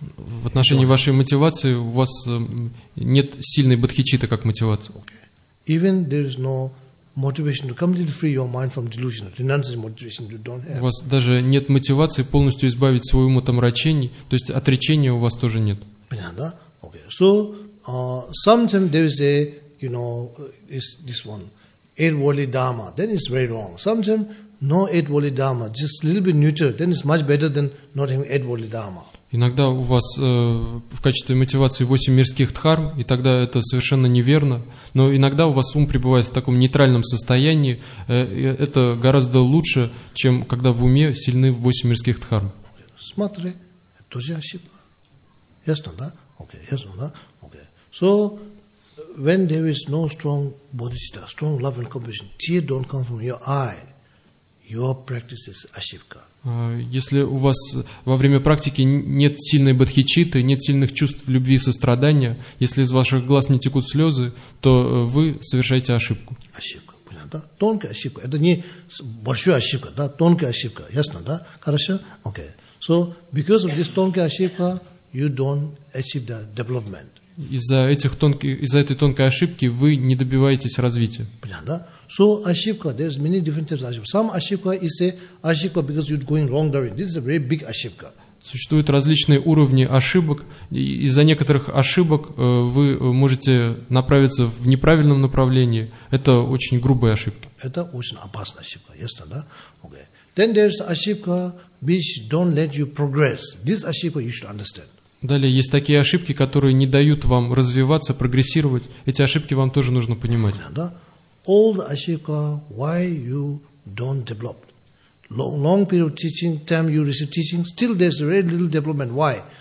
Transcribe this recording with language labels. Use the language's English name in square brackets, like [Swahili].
[Russian] В отношении вашей мотивации у вас нет сильной бодхичитты как мотивации. [English] Okay. Even there is no motivation to completely free your mind from delusion, renouncing motivation you don't have. [Russian] У вас даже нет мотивации полностью избавить свой ум от омрачений, то есть отречения у вас тоже нет. Понятно, да? Okay. [English] So, sometimes there is a, you know, is this one, eight-worldly dharma, then it's very wrong. Sometimes no eight-worldly dharma, just a little bit neutral, then it's much better than not having eight-worldly dharma. [Russian] Иногда у вас в качестве мотивации 8 мирских дхарм, и тогда это совершенно неверно. Но иногда у вас ум пребывает в таком нейтральном состоянии. Это гораздо лучше, чем когда в уме сильны 8 мирских дхарм. Смотри, это же ошибка. Ясно, да? Окей, ясно, да? Окей. [English] So, when there is no strong bodhicitta, strong love and compassion, tears don't come from your eye, your practice is ashivka. [Russian] Если у вас во время практики нет сильной бодхичитты, нет сильных чувств любви и сострадания, если из ваших глаз не текут слезы, то вы совершаете ошибку. Ошибка, понятно, да? Тонкая ошибка. Это не большая ошибка, да? Тонкая ошибка. Ясно, да? Хорошо? Окей. [English] So, because of this [Russian] тонкая ошибка, [English] you don't achieve the development. [Russian] Из-за этой тонкой ошибки вы не добиваетесь развития. Понятно, да? [English] So, ошибка, there's many different types of ошибка. Some ошибка is a ошибка because you're going wrong direction. This is a very big ошибка. [Russian] Существуют различные уровни ошибок, и из-за некоторых ошибок вы можете направиться в неправильном направлении. Это очень грубые ошибки. Это очень опасная ошибка, ясно, да? [English] Okay. Then there's ошибка, which don't let you progress. This ошибка you should understand. [Russian] Далее, есть такие ошибки, которые не дают вам развиваться, прогрессировать. Эти ошибки вам тоже нужно понимать. [English] Да? Old ошибка, why you don't develop. Long period of teaching, time you receive teaching, still there's very little development. Why?